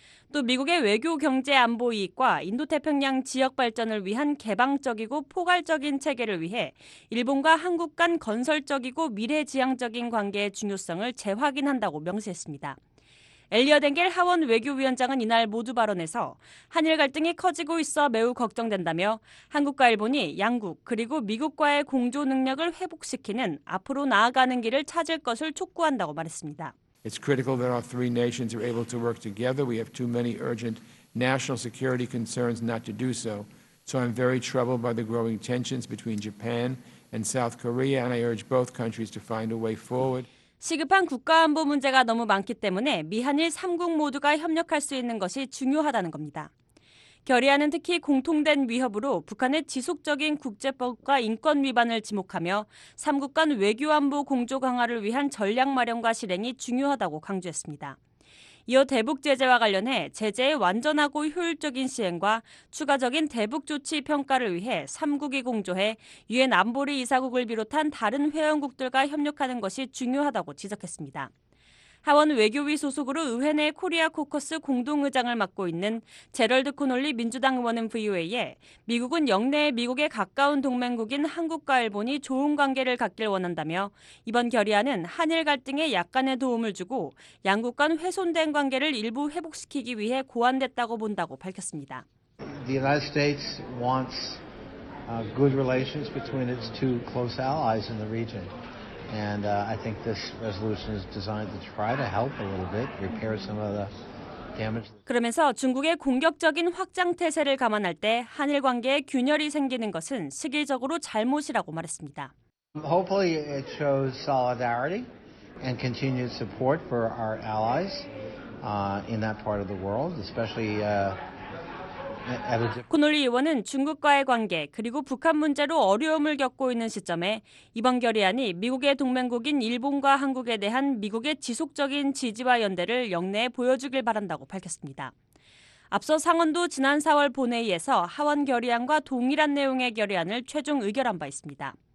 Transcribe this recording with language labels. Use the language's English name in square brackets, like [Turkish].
[Korean] 또 미국의 외교 경제 안보 이익과 인도태평양 지역 발전을 위한 개방적이고 포괄적인 체계를 위해 일본과 한국 간 건설적이고 미래지향적인 관계의 중요성을 재확인한다고 명시했습니다. 엘리엇 앵겔 하원 외교위원장은 이날 모두 발언에서 한일 갈등이 커지고 있어 매우 걱정된다며 한국과 일본이 양국 그리고 미국과의 공조 능력을 회복시키는 앞으로 나아가는 길을 찾을 것을 촉구한다고 말했습니다. [English] It's critical that our three nations are able to work together. We have too many urgent national security concerns not to do so. So I'm very troubled by the growing tensions between Japan and South Korea, and I urge both countries to find a way forward. [Korean] 시급한 국가안보 문제가 너무 많기 때문에 미한일 3국 모두가 협력할 수 있는 것이 중요하다는 겁니다. 결의안은 특히 공통된 위협으로 북한의 지속적인 국제법과 인권 위반을 지목하며 3국 간 외교안보 공조 강화를 위한 전략 마련과 실행이 중요하다고 강조했습니다. 이어 대북 제재와 관련해 제재의 완전하고 효율적인 시행과 추가적인 대북 조치 평가를 위해 3국이 공조해 유엔 안보리 이사국을 비롯한 다른 회원국들과 협력하는 것이 중요하다고 지적했습니다. 하원 외교위 소속으로 의회 내 코리아 코커스 공동의장을 맡고 있는 제럴드 코널리 민주당 의원은 VOA에 미국은 영내에 미국에 가까운 동맹국인 한국과 일본이 좋은 관계를 갖길 원한다며 이번 결의안은 한일 갈등에 약간의 도움을 주고 양국 간 훼손된 관계를 일부 회복시키기 위해 고안됐다고 본다고 밝혔습니다. [English] The United States wants good relations between its two close allies in the region. And I think this resolution is designed to try to help a little bit repair some of the damage. [Korean] 그러면서 중국의 공격적인 확장 태세를 감안할 때 한일 관계에 균열이 생기는 것은 시기적으로 잘못이라고 말했습니다. [English] Hopefully it shows solidarity and continued support for our allies in that part of the world, especially [Korean] 코널리 의원은 중국과의 관계 그리고 북한 문제로 어려움을 겪고 있는 시점에 이번 결의안이 미국의 동맹국인 일본과 한국에 대한 미국의 지속적인 지지와 연대를 역내에 보여주길 바란다고 밝혔습니다. 앞서 상원도 지난 4월 본회의에서 하원 결의안과 동일한 내용의 결의안을 최종 의결한 바 있습니다.